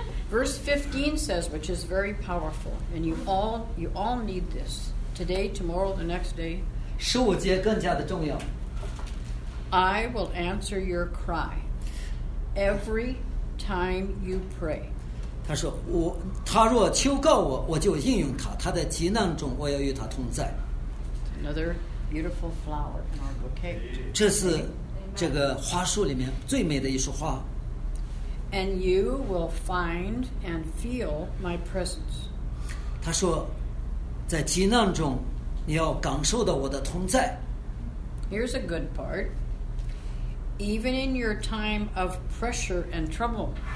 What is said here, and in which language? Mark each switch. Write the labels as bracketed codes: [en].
[en] Verse 15 says, which is very powerful, and you all need this today, tomorrow, the next day. [zh] 十五节更加的重要。 [en] I will answer your cry every time you pray. [zh] 他说他若求告我，我就应允他。他在急难中，我要与他同在。 [en] Another beautiful flower in our bouquet. [zh] 这是这个花束里面最美的一束花。 [en] And you will find and feel my presence. [zh] 他说，在急难中，你要感受到我的同在。 [en] Here's a good part. Even in your time of pressure and trouble,